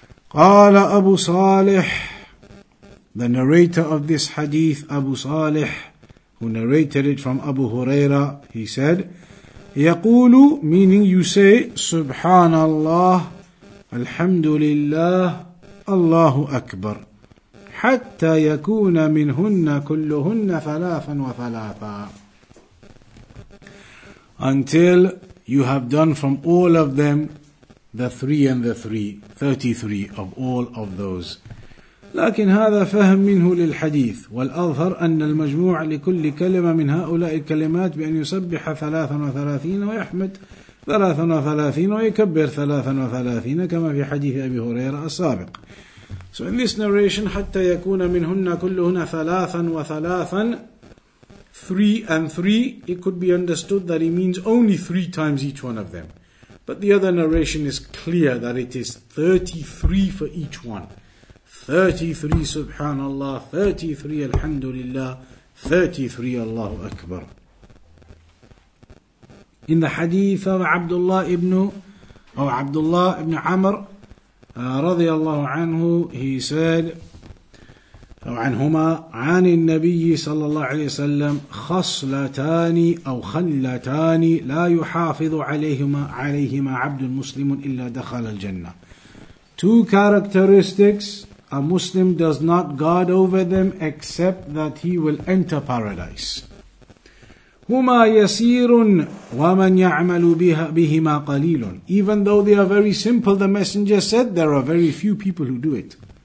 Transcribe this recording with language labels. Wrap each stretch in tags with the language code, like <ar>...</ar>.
<en>Qala Abu Salih, the narrator of this hadith, Abu Salih, who narrated it from Abu Huraira, he said, Yaqulu, meaning you say, Subhanallah, Alhamdulillah, Allahu Akbar.</en> <ar>Hatta yakuna minhunna kulluhunna thalafan wa thalafa.</ar> <en>Until you have done from all of them the three and the three, 33 of all of those.</en> <ar>لكن هذا فهم منه للحديث والأظهر أن المجموع لكل كلمة من هؤلاء الكلمات بأن يسبح 33 ويحمد 33 ويكبر 33 كما في حديث أبي هريرة السابق.</ar> <en>So in this narration,</en> <ar>حتى يكون منهن كلهن 33</ar> <en>three and three, it could be understood that he means only three times each one of them. But the other narration is clear that it is 33 for each one. 33 Subhanallah, 33 Alhamdulillah, 33 Allahu Akbar. In the hadith of Abdullah ibn Amr, radiallahu anhu, he said,</en> <ar>أو عنهما عن النبي صلى الله عليه وسلم خصلتان أو خلتان لا يحافظ عليهما عبد مسلم إلا دخل الجنة.</ar> <en>Two characteristics a Muslim does not guard over them except that he will enter paradise.</en> <ar>huma yasirun wa man ya'malu bihima qalilun.</ar> <en>Even though they are very simple, the messenger said, there are very few people who do it.</en>